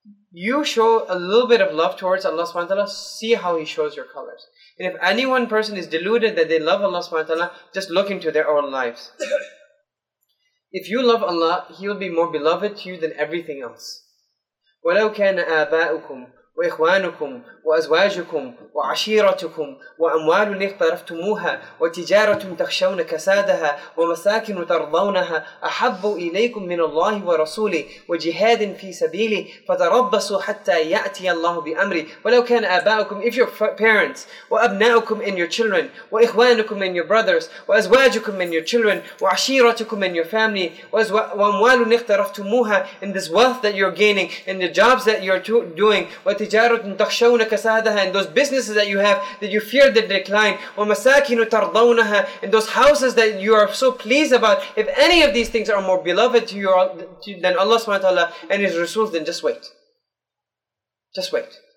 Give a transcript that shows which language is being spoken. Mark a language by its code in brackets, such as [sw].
[en] You show a little bit of love towards Allah subhanahu wa ta'ala, see how He shows your colors. And if any one person is deluded that they love Allah subhanahu wa ta'ala, just look into their own lives. If you love Allah, He will be more beloved to you than everything else. [ar] وَلَوْ كَانَ آبَاؤُكُمْ وإخوانكم وأزواجكم وعشيرتكم وأموال اقترفتموها وتجارة تخشون كسادها ومساكن ترضونها أحب إليكم من الله ورسوله وجهاد في سبيله فتربصوا حتى يأتي الله بأمره. ولو كان آباؤكم, [en] if your parents, [ar] وأبناؤكم [en] and your children, [ar] وإخوانكم [en] and your brothers, [ar] وأزواجكم [en] and your children, [ar] وعشيرتكم [en] and your family, [ar] وأموال اقترفتموها, [en] and this wealth that you're gaining and the jobs that you're doing, [ar] تِجَارَةٌ تَخْشَوْنَ كَسَادَهَا, [en] and those businesses that you have that you fear the decline, [ar] وَمَسَاكِنُ تَرْضَوْنَهَا, [en] and those houses that you are so pleased about, if any of these things are more beloved to you than Allah subhanahu wa ta'ala and His Rasul, then just wait. Just wait.